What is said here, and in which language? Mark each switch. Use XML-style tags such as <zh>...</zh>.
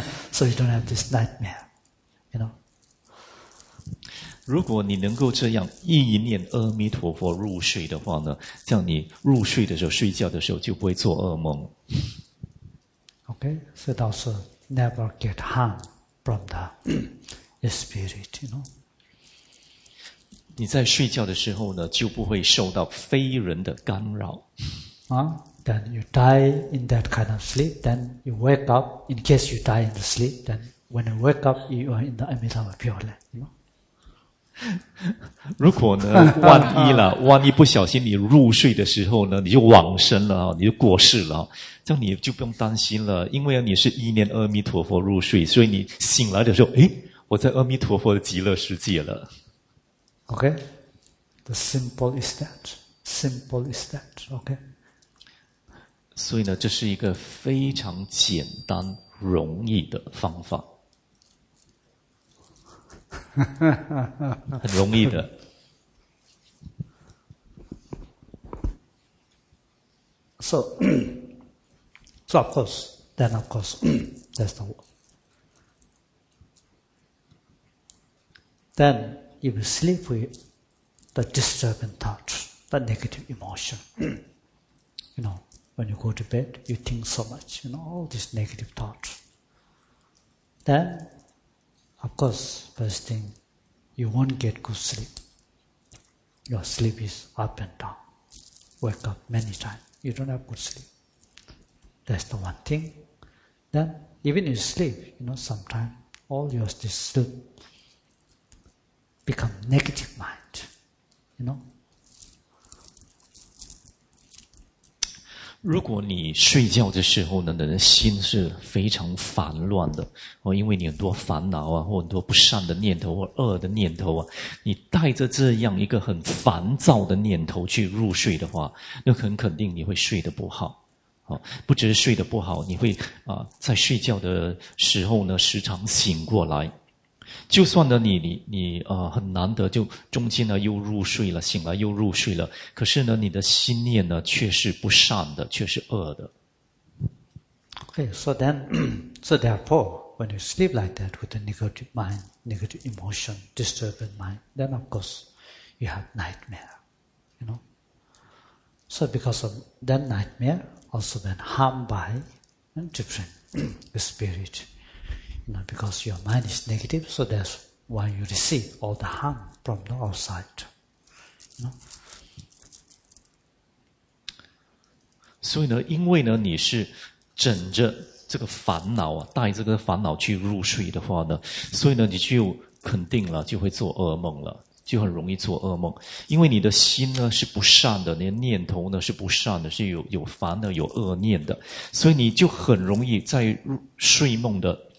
<en>So you don't have this nightmare, you know.</en> <zh>如果你能够这样一念阿弥陀佛入睡的话呢，这样你入睡的时候、睡觉的时候就不会做噩梦。</zh> <en>Okay, so it also never get harmed from the spirit, you know.</en> <zh>你在睡觉的时候呢，就不会受到非人的干扰。</zh> <en>Then you die in that kind of sleep, then you wake up, in case you die in the sleep, then when you wake up, you are in the Amitabha Pure Land, you know?</en> <zh>如果呢万一了万一不小心你入睡的时候呢你就往生了你就过世了这样你就不用担心了因为你是一念阿弥陀佛入睡所以你醒来的时候诶我在阿弥陀佛的极乐世界了。</zh> <en>Okay? The simple is that. Simple is that. Okay?</en> <zh>所以呢，这是一个非常简单、容易的方法，很容易的。</zh> <en>So of course, then of course, that's the word. Then if you sleep with the disturbing thoughts, the negative emotion, you know. When you go to bed, you think so much, you know, all these negative thoughts. Then, of course, first thing, you won't get good sleep. Your sleep is up and down. Wake up many times. You don't have good sleep. That's the one thing. Then, even if you sleep, you know, sometimes all your sleep become negative mind, you know.</en> <zh>如果你睡觉的时候呢，你的心是非常烦乱的，哦，因为你很多烦恼啊，或很多不善的念头或恶的念头啊，你带着这样一个很烦躁的念头去入睡的话，那很肯定你会睡得不好，哦，不只是睡得不好，你会啊，在睡觉的时候呢，时常醒过来。就算呢你很难得就中间呢又入睡了醒来又入睡了可是呢你的心念呢却是不善的却是恶的。</zh> <en>Okay, so therefore, when you sleep like that with a negative mind, negative emotion, disturbing mind, then of course you have nightmare, you know. So because of that nightmare, also been harmed by a different spirit. Not because your mind is negative, so that's why you receive all the harm from the outside. No?</en> <zh>所以呢，因为呢，你是枕着这个烦恼啊，带这个烦恼去入睡的话呢，所以呢，你就肯定了，就会做噩梦了，就很容易做噩梦。因为你的心呢是不善的，你的念头呢是不善的，是有烦恼、有恶念的，所以你就很容易在睡梦的。</zh>